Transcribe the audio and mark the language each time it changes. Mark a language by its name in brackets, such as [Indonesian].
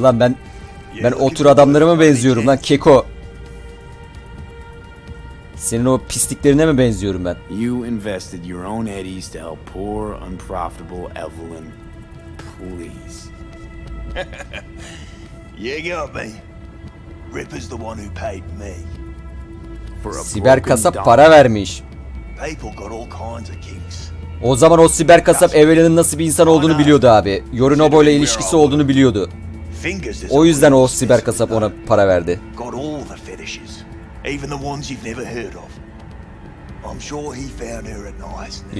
[Turkish] Lan ben o tür adamlara mı benziyorum lan Keko? Senin o pisliklerine mi benziyorum ben? [English] You invested your own eddies to help poor, unprofitable Evelyn. Please. You got me. Ripper's the one who paid me. [Turkish] Siber kasap para vermiş. [English] People got all kinds of kinks. [Turkish] O zaman o siber kasap Evelyn'in nasıl bir insan olduğunu biliyordu abi. Yorinobo ile ilişkisi olduğunu biliyordu. O yüzden o siber kasap ona para verdi. [English] Got all the fetishes. Even the ones you've never heard of. I'm sure he found her a nice niche.